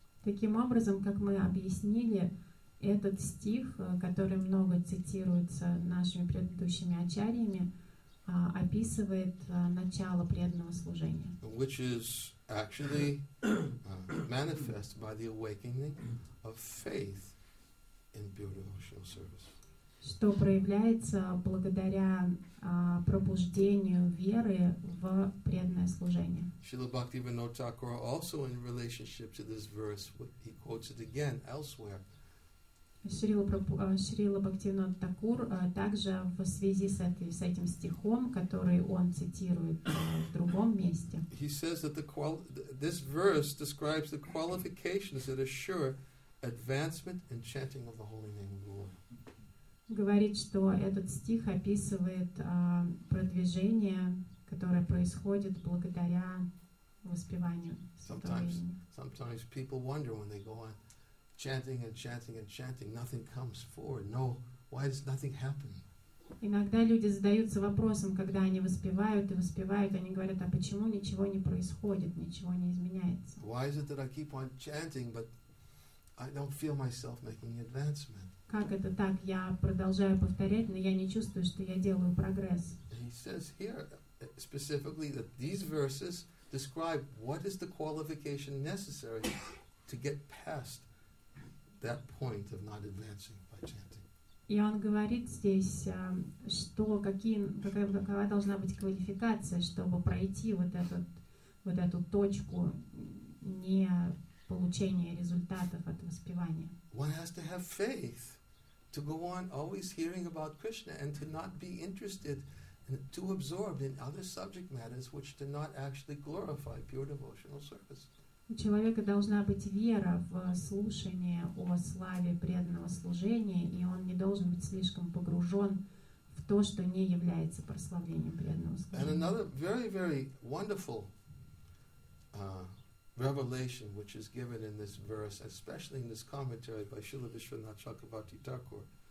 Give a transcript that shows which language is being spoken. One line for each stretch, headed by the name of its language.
Russian: Таким образом, как мы объяснили, этот стих, который много цитируется нашими предыдущими ачарьями, описывает начало преданного служения.
English: Which is actually manifest by the awakening of faith in pure devotional service.
Russian: Что проявляется благодаря пробуждению веры в преданное служение.
English: Śrīla Bhaktivinoda Thakura also in relationship to this verse, he quotes it again elsewhere.
Russian: Śrīla Bhaktivinoda Thakura также в связи с этим стихом, который он цитирует в другом месте.
English: He says that this verse describes the qualifications that assure advancement and chanting of the holy name of the Lord.
Russian: Говорит, что этот стих описывает продвижение, которое происходит благодаря воспеванию.
English: Sometimes people wonder when they go on chanting and chanting and chanting, nothing comes forward. No, why does nothing happen?
Russian: Иногда люди задаются вопросом, когда они воспевают и воспевают, они говорят, а почему ничего не происходит, ничего не изменяется?
English: Why is it that I keep on chanting, but I don't feel myself making advancement?
Russian: Как это так? Я продолжаю повторять, но я не чувствую, что я делаю прогресс.
English: He says here specifically that these verses describe what is the qualification necessary to get past that point of not advancing by chanting.
Russian: И он говорит здесь, что какова должна быть квалификация, чтобы пройти вот эту точку не получения результатов от воспевания.
English: One has to have faith. To go on always hearing about Krishna and to not be interested and too absorbed in other subject matters which do not actually glorify pure devotional service.
Russian: У человека должна быть вера в слушание о славе преданного служения, и он не должен быть слишком погружен в то, что не является прославлением преданного служения.
English: And another very, very wonderful revelation which is given in this verse, especially in this commentary by Śrīla Viśvanātha Chakravarti Thakur.